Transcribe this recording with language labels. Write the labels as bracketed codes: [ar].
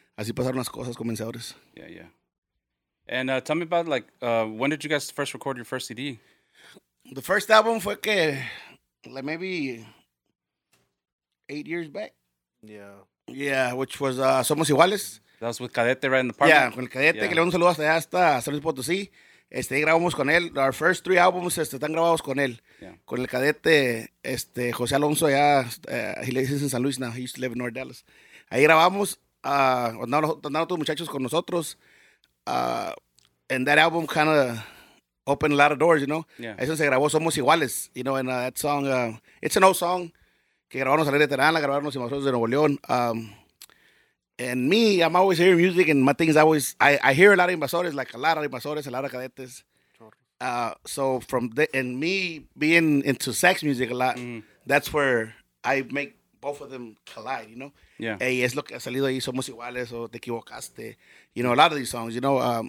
[es] así pasaron las cosas, comenzadores. [en] Yeah, yeah. And tell me about when did you guys first record your first CD? The first album [es] fue que [en] like maybe 8 years back. Yeah. Yeah, which was Somos Iguales. That was with Cadete right in the park. [es] Yeah, con el Cadete, yeah. Que le doy un saludo hasta San Luis Potosí. Ahí grabamos con él. [en] Our first three albums [es] están grabados con él. [en] Yeah. [es] Con el Cadete, [en] José Alonso allá, he lives in San Luis now. He used to live in North Dallas. [es] Ahí grabamos, andaron todos muchachos con nosotros. [en] And that album kind of opened a lot of doors, you know. Yeah. [es] Eso se grabó [en] Somos Iguales, you know, and that song, it's an old song. [es] Que grabamos Alegre Terana, grabaron los Imagosos de Nuevo León. [en] And me, I'm always hearing music, and my thing is always, I hear a lot of invasores, like a lot of invasores, a lot of cadetes. So from and me being into sax music a lot, that's where I make both of them collide, you know? Yeah. Hey, [es] es lo que ha salido ahí, [en] Somos Iguales, o Te Equivocaste, you know, a lot of these songs, you know?